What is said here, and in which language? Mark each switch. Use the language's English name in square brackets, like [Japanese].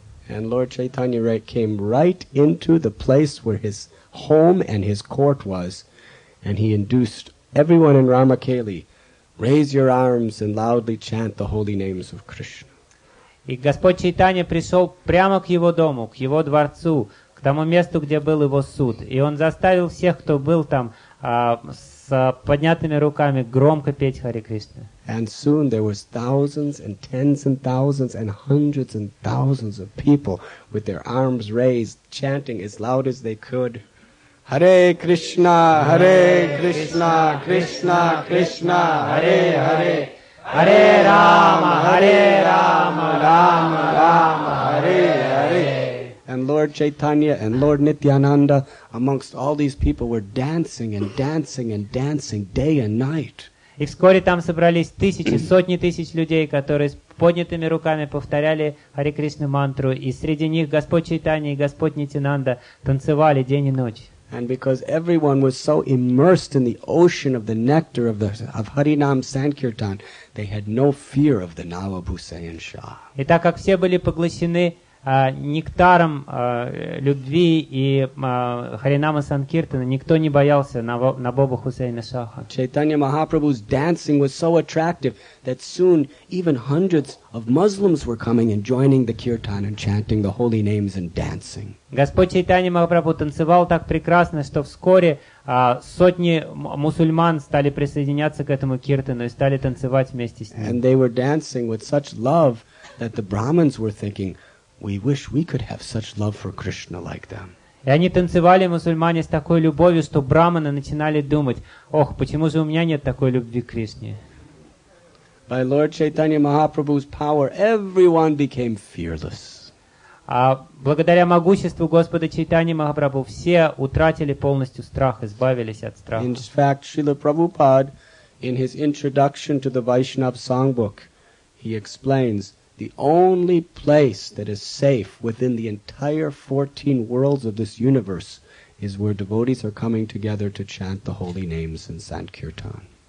[English] And Lord Chaitanya came right into the place where his home and his court was, and he induced everyone in Ramakeli, raise your arms and loudly chant the holy names of Krishna. [Russian] И Господь Чайтанья пришел прямо к его дому, к его дворцу, к тому месту, где был его суд, и он заставил всех, кто был там, с поднятыми руками громко петь Хари Кришна. [English] And soon there was thousands and tens and thousands and hundreds and thousands of people with their arms raised, chanting as loud as they could. [Sanskrit] Hare Krishna, Hare Krishna, Krishna Krishna, Hare Hare. Hare Rama, Hare Rama, Rama Rama, Hare Hare. [English] And Lord Chaitanya and Lord Nityananda, amongst all these people, were dancing and dancing and dancing day and night. [Russian] И вскоре там собрались тысячи, сотни тысяч людей, которые с поднятыми руками повторяли Хари Кришна мантру. И среди них Господь Чайтанья и Господь Нитинанда танцевали день и ночь. [English] And because everyone was so immersed in the ocean of the nectar of Harinam Sankirtan, they had no fear of the Nawab Hussain Shah. [Russian] И так как все были поглощены нектаром любви и Харинама Санкиртана, никто не боялся Набоба Хусейна Шаха. [English] Чайтанья Махапрабху's dancing was so attractive that soon even hundreds of Muslims were coming and joining the Kirtan and chanting the holy names and dancing. [Russian] Господь Чайтанья Махапрабху танцевал так прекрасно, что вскоре сотни мусульман стали присоединяться к этому Киртану и стали танцевать вместе с ним. [English] And they were dancing with such love that the Brahmins were thinking, we wish we could have such love for Krishna like them. [Russian] И они танцевали, мусульмане, с такой любовью, что браманы начинали думать, ох, почему же у меня нет такой любви к Кришне? [English] By Lord Chaitanya Mahaprabhu's power, everyone became fearless. [Russian] А благодаря могуществу Господа Чайтани Махапрабху все утратили полностью страх, избавились от страха. [English] In fact, Srila Prabhupada, in his introduction to the Vaishnav songbook, he explains the only place that is safe within the entire 14 worlds of this universe is where devotees are coming together to chant the holy names in Sankirtan.